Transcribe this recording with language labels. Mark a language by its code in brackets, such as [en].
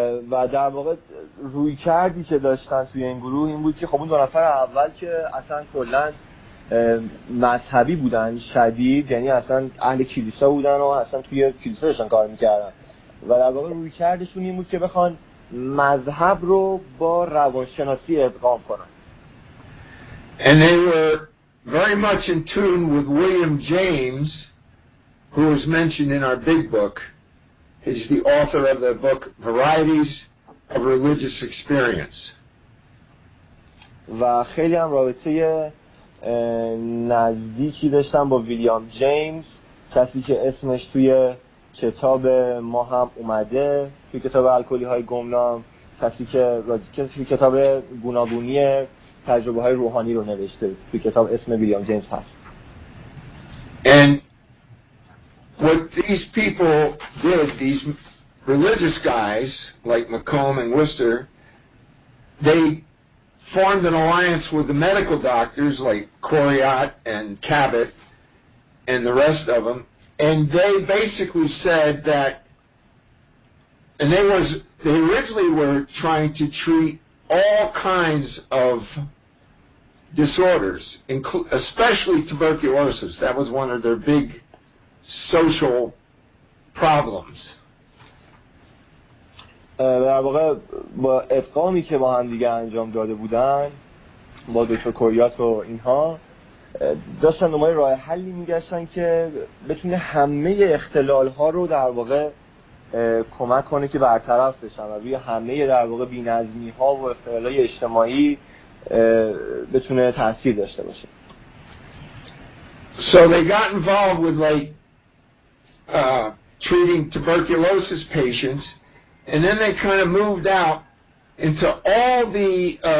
[fa] و در واقع روی کردی که داشتن توی این گروه این بود که خب اون دو نفر اول که اصلا کلن مذهبی بودن شدید، یعنی اصلا اهل کلیسا بودن و اصلا توی کلیسا داشتن کار میکردن و در واقع روی کردشون این بود که بخوان مذهب رو با روانشناسی ادغام کنن. [en] And they were very much in tune with William James, who was mentioned in our big book. Is the author of the book Varieties of Religious Experience. [fa] و خیلی هم رابطه نزدیکی داشتم با ویلیام جیمز، کسی که اسمش توی کتاب ما هم اومده، توی کتاب الکلی های گمنام، کسی که توی کتاب گوناگونی تجربه های روحانی رو نوشته، توی کتاب اسم ویلیام جیمز هست. [en] And what these people did, these religious guys like Macomb and Worcester, they formed an alliance with the medical doctors like Coriat and Cabot and the rest of them, and they basically said that, and they originally were trying to treat all kinds of disorders, especially tuberculosis. That was one of their big social problems. [fa] در واقع با افغانی که با هم دیگه انجام داده بودن با دکتر کوریات و اینها داشتن دومای راه حلی میگشتن که بتونه همه اختلال ها رو در واقع کمک کنه که برطرف بشن و روی همه در واقع بی‌نظمی ها و اختلال های اجتماعی بتونه تأثیر داشته باشه. [en] So they got involved with like treating tuberculosis patients, and then they kind of moved out into all the